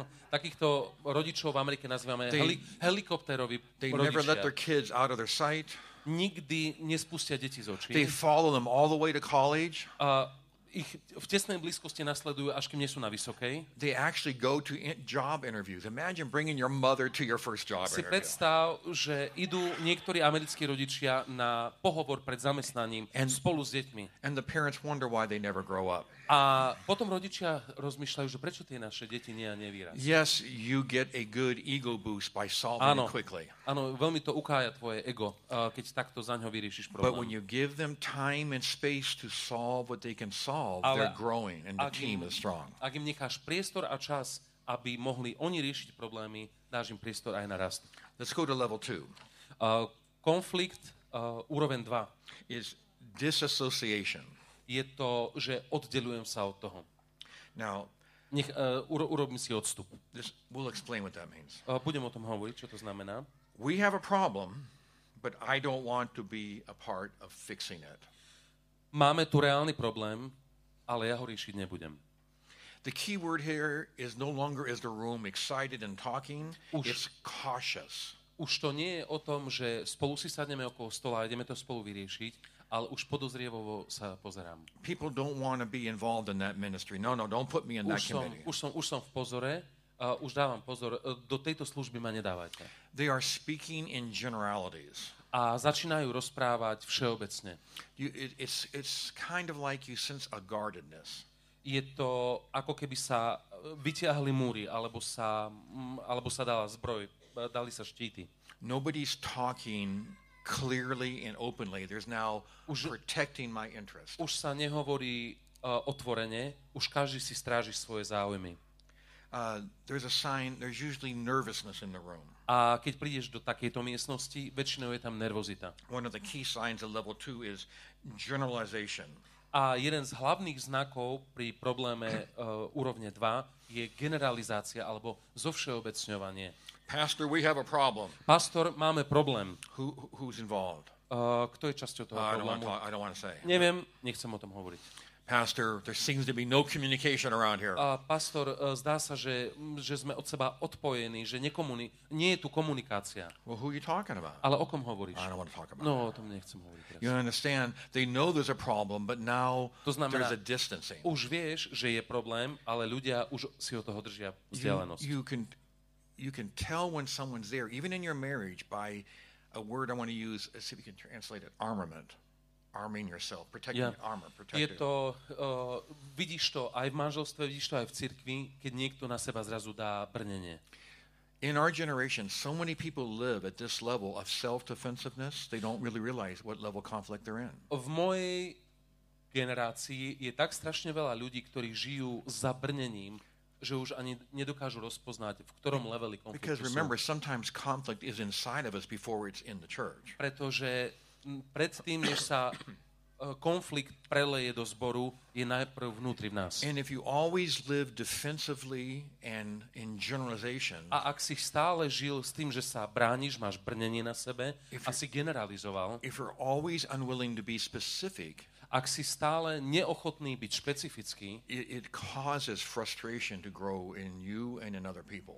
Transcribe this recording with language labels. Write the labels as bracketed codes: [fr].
[sk] Takýchto rodičov v Amerike nazývame helikopterovi rodičia. [en] They never let their kids out of their sight. [sk] Nikdy nespustia deti z očí. [en] They follow them all the way to college. [sk] Ich v tesnej blízkosti nasledujú, až kým nie sú na vysokej. [en] They actually go to job interviews. Imagine bringing your mother to your first job interview. [sk] Si predstav, že idú niektorí americkí rodičia na pohovor pred zamestnaním spolu s deťmi. [en] And the parents wonder why they never grow up. [sk] A potom rodičia rozmýšľajú, že prečo tie naše deti nevyrastú. [en] Yes, you get a good ego boost by solving it quickly. [sk] Áno, veľmi to ukája tvoje ego, keď takto zaňho vyriešiš problém. [en] But when you give them time and space to solve what they can solve, they're growing and the team is strong. [sk] Ak im necháš priestor a čas, aby mohli oni riešiť problémy, dáš im priestor aj na rast. [en] Let's go to level 2. [sk] Konflikt úroveň 2 [en] is disassociation. [sk] Je to, že oddeľujem sa od toho. [en] Now, [sk] nech urobím si odstup. [en] We'll explain what that means. [sk] Budem o tom hovoriť, čo to znamená. [en] We have a problem, but I don't want to be a part of fixing it. [sk] Máme tu reálny problém, ale ja ho riešiť nebudem. [en] The key word here is no longer is the room excited and talking, it's cautious. [sk] Už to nie je o tom, že spolu si sadneme okolo stola a ideme to spolu vyriešiť, ale už podozrievovo sa pozerám. [en] People don't want to be involved in that ministry. No, don't put me in that committee. [sk] Už som v pozore. Už dávam pozor, do tejto služby ma nedávate. [en] They are speaking in generalities. [sk] A začínajú rozprávať všeobecne. [en] It's kind of like you sense a guardedness. [sk] Je to ako keby sa vytiahli múry alebo sa dala zbroj, dali sa štíty. [en] Nobody's talking clearly and openly. There's now [sk] už, [en] protecting my interest. [sk] Už sa nehovorí otvorene, už každý si stráži svoje záujmy. [en] There's usually nervousness in the room. [sk] A keď prídeš do takejto miestnosti, väčšinou je tam nervozita. [en] One of the key signs of level 2 is generalization. [sk] A jeden z hlavných znakov pri probléme úrovne 2 je generalizácia alebo zovšeobecňovanie. [en] Pastor, we have a problem. [sk] Pastor, máme problém. [en] Who's involved? [sk] Kto je časťou toho problému? [en] I don't want to say. [sk] Neviem, nechcem o tom hovoriť. [en] Pastor, there seems to be no communication around here. [sk] Pastor, zdá sa, že sme od seba odpojení, že nie je tu komunikácia. [en] Well, who are you talking about? [sk] Ale o kom hovoríš? [en] I don't want to talk about it. [sk] No, o tom nechcem hovoriť. Teraz. [en] You understand, they know there's a problem, but now there's a distancing. [sk] Už vieš, že je problém, ale ľudia už si od toho držia vzdialenosť. [en] You can tell when someone's there, even in your marriage, by a word I want to use, see if you can translate it, armament. Arming yourself, protecting armor, protecting. [sk] Je to, vidíš to aj v manželstve, vidíš to aj v cirkvi, keď niekto na seba zrazu dá brnenie. [en] In our generation, so many people live at this level of self-defensiveness, they don't really realize what level conflict they're in. [sk] V mojej generácii je tak strašne veľa ľudí, ktorí žijú za brnením, že už ani nedokážu rozpoznať, v ktorom leveli konfliktu. [en] Because remember, sometimes conflict is inside of us before it's in the church. [sk] Pretože predtým, než sa konflikt preleje do zboru, je najprv vnútri v nás. [en] And if you always live defensively and in generalization. [sk] A ak si stále žil s tým, že sa brániš, máš brnenie na sebe, a si generalizoval. [en] If you're always unwilling to be specific. [sk] Ak si stále neochotný byť špecifický, [en] it causes frustration to grow in you and in other people.